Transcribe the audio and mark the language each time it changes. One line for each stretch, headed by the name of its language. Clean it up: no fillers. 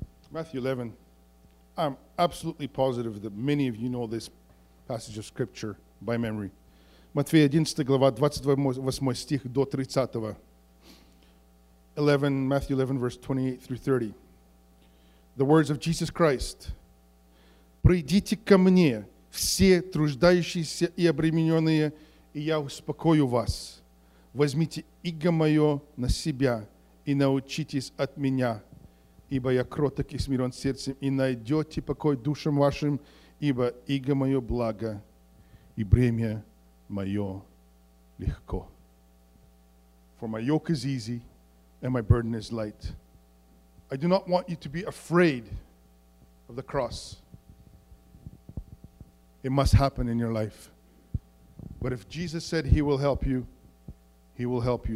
English: Matthew 11. I'm absolutely positive that many of you know this passage of scripture by memory.
Russian: Matthew 11, глава 28 стих до 30.
English: Matthew 11, verse 28 through 30. The words of Jesus Christ.
Russian: Придите ко мне, все труждающиеся и обремененные, и я успокою вас. Возьмите иго мое на себя и научитесь от меня. Ибо я кроток и смирен сердцем, и найдете покой душам вашим, ибо иго мое благо, и бремя мое легко.
English: For my yoke is easy, and my burden is light. I do not want you to be afraid of the cross. It must happen in your life. But if Jesus said he will help you, he will help you.